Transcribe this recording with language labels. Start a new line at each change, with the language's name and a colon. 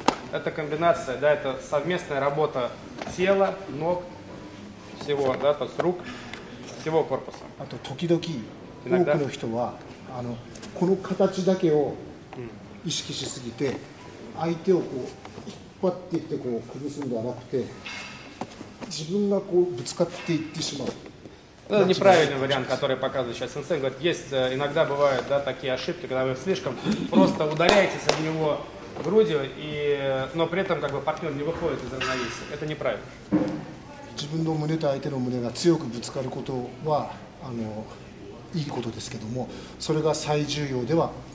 Russian: Это комбинация, да, это совместная работа тела, ног, всего, да, то есть рук, всего корпуса. А то
Japanese: 時々多くの人はあのこの形だけを意識しすぎて相手をこう引っ張っていってこう崩すんではなくて自分がこうぶつかっていってしまう。
Russian: Это неправильный вариант, который показывает сейчас сенсей. Говорит, есть иногда бывают, да, такие ошибки, когда вы слишком просто ударяетесь об него грудью, и, но при этом как бы партнер не выходит из равновесия. Это неправильно.